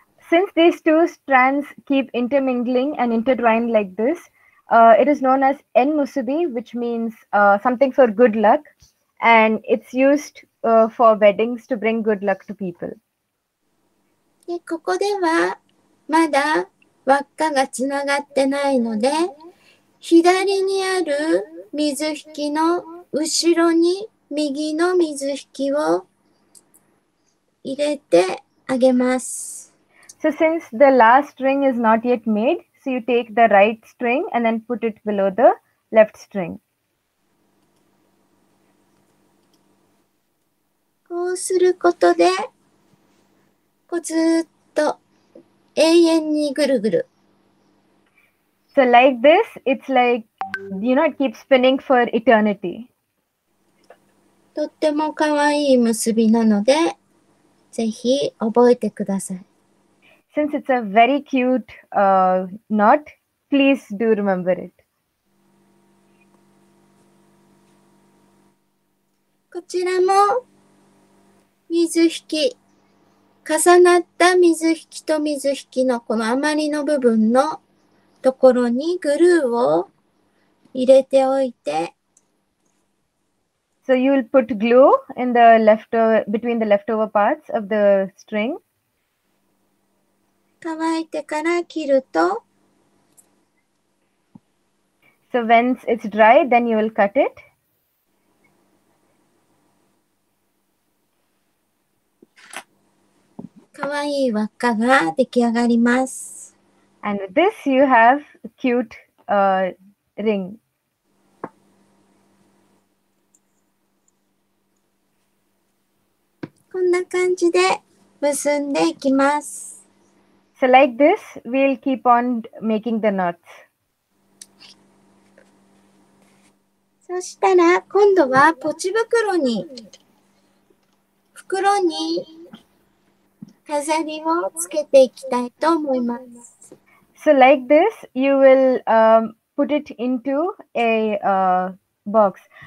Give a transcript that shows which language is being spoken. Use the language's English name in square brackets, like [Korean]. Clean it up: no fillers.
[English] Since these two strands keep intermingling and intertwined like this, it is known as en musubi, which means something for good luck, and it's used for weddings to bring good luck to people. [Japanese] で、ここではまだ輪っかがつながってないので、左にある水引きの後ろに右の水引きを入れてあげます。 [English] So since the last string is not yet made, so you take the right string and then put it below the left string. [Japanese] こうすることで、こうずっと永遠にぐるぐる。 [English] So like this, it's like, you know, it keeps spinning for eternity. [Japanese] とってもかわいい結びなので、ぜひ覚えてください。 [English] Since it's a very cute knot, please do remember it. [Japanese] こちらも水引き、重なった水引きと水引きのこの余りの部分のところにグルーを入れておいて。 [English] So you'll put glue in the leftover, between the leftover parts of the string. [Japanese] 乾いてから切ると。 [English] So once it's dry, then you will cut it. [Japanese] かわいい輪っかが出来上がります。 [English] And with this, you have a cute, ring. [Japanese] こんな感じで結んでいきます。 [English] So like this, we'll keep on making the knots. [Japanese] そしたら今度はポチ袋に、袋に飾りをつけていきたいと思います。 [English] So like this, you will put it into a box.